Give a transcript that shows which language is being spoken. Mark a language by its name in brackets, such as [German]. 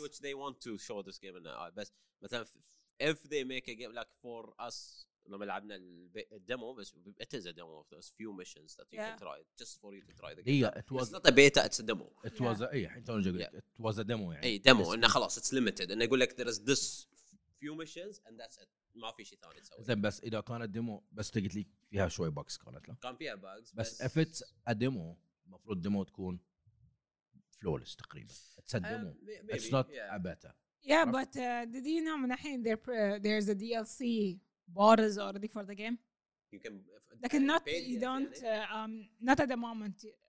[English] Which they want to show this game in the eye. But if they make a game, like for us, [Arabic] لما لعبنا الديمو بس [English] it is a demo of those few missions that you can try just for you to try the game. Yeah, it was not a beta, it's a demo. It was it was a demo يعني. [Arabic] اي [English] demo [Arabic] انه خلاص [English] it's limited [Arabic] انه يقول لك [English] there is this few missions and that's it. [Arabic] ما في شيء ثاني تسوي. زين بس اذا كانت ديمو بس قلت لي فيها شوي باكس كانت لا. كان فيها باكس بس [English] if it's a demo [Arabic] المفروض ديمو تكون [English] flawless [Arabic] تقريبا. [English] It's a demo. It's not a beta. Yeah, but did you know [Arabic] من الحين [English] there's a DLC. Bought is already for the game. You can. Like not you don't. Not at the moment.